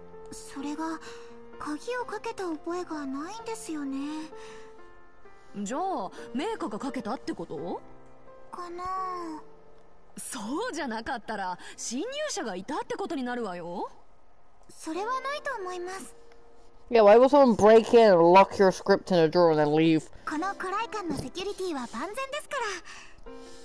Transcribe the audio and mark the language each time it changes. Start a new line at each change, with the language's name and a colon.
Japanese: それが鍵をかけた覚えがないんですよね。じゃあメイカがかけたってことかな。そうじゃなかったら侵入者がいたってことになるわよ。それはないと思います。
English: Yeah, why would someone break in and lock your script in a drawer and then leave?
Japanese: この古来館のセキュリティは万全ですから。